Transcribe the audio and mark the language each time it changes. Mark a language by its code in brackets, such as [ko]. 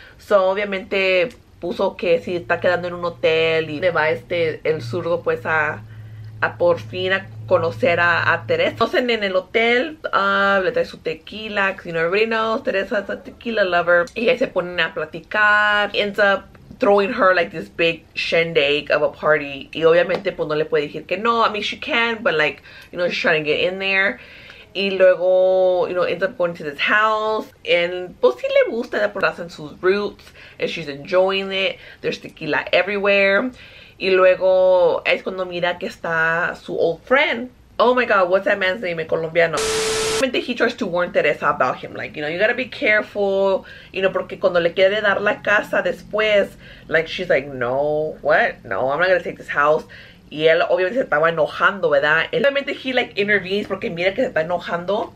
[es] So, obviamente, puso que si está quedando en un hotel y le va este, el zurdo, pues, a por fin a conocer a Teresa. Entonces en el hotel le trae su tequila, [en] because you know everybody knows Teresa is a tequila lover. [es] Y ahí se ponen a platicar. [en] Ends up throwing her like this big shindig of a party. [es] Y obviamente pues no le puede decir que no. [en] I mean she can, but like, you know, she's trying to get in there. [es] Y luego, [en] you know, ends up going to this house. [es] And pues sí le gusta, de por sí en sus roots. [en] And she's enjoying it. There's tequila everywhere. [es] Y luego es cuando mira que está su [en] old friend. Oh my god, what's that man's name? [es] El colombiano. [en] Obviamente he tries to warn Teresa about him. Like, you know, you gotta be careful. You know, [es] porque cuando le quiere dar la casa después, [en] like, she's like, no, what? No, I'm not gonna take this house. [es] Y él obviamente se estaba enojando, ¿verdad? Y obviamente [en] he, like, intervenes [es] porque mira que se está enojando.